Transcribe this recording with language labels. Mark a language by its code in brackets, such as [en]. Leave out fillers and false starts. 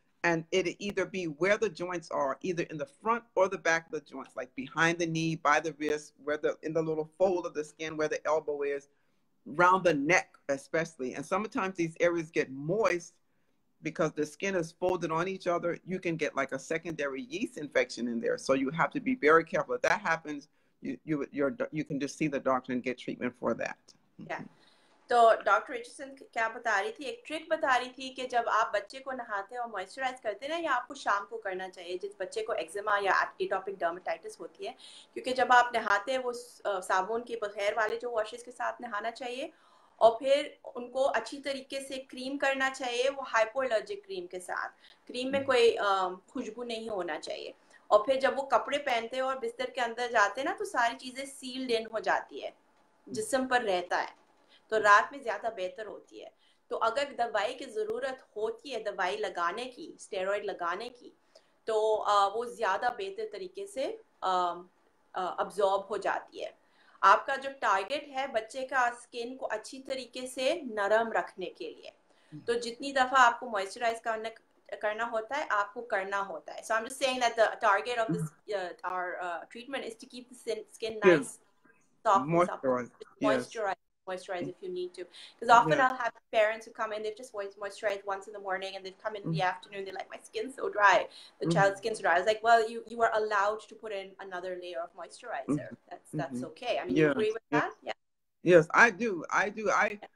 [en] And it either be where the joints are, either in the front or the back of the joints, like behind the knee, by the wrist, where the in the little fold of the skin, where the elbow is, around the neck especially. And sometimes these areas get moist because the skin is folded on each other. You can get like a secondary yeast infection in there. So you have to be very careful. If that happens, you can just see the doctor and get treatment for that. Yeah. [hi] तो doctor Richardson क्या बता रही थी, एक trick बता रही थी कि जब आप बच्चे को नहाते और मॉइस्चराइज करते हैं ना, या आपको शाम को करना चाहिए जिस बच्चे को एक्जिमा या एटॉपिक डर्माटाइटिस होती है, क्योंकि जब आप नहाते हैं वो साबुन के बगैर वाले जो वॉशेज के साथ नहाना चाहिए, और फिर उनको अच्छी तरीके से क्रीम करना चाहिए वो हाइपोएलर्जिक क्रीम के साथ, क्रीम में कोई खुशबू नहीं होना चाहिए. और फिर जब वो कपड़े पहनते हैं और बिस्तर के अंदर जाते हैं ना, तो सारी चीज़ें सील्ड इन हो जाती है, जिस्म पर रहता है, तो रात में ज्यादा बेहतर होती है. तो अगर दवाई की जरूरत होती है, दवाई लगाने की, स्टेरॉइड लगाने की, तो वो ज्यादा बेहतर तरीके से अब्सॉर्ब हो जाती है. आपका जो टारगेट है बच्चे का स्किन को अच्छी तरीके से नरम रखने के लिए, तो जितनी दफा आपको मॉइस्चराइज करना होता है आपको करना होता है. [en] So I am just saying that the target of this our treatment is to keep the skin nice moisturize moisturize if you need to, because often I'll have parents who come in, they've just moisturized once in the morning, and they've come in the afternoon, they're like, my skin's so dry, the child's skin's dry. I was like, well, you are allowed to put in another layer of moisturizer. That's okay. I mean, you agree with that? Yes. Yeah.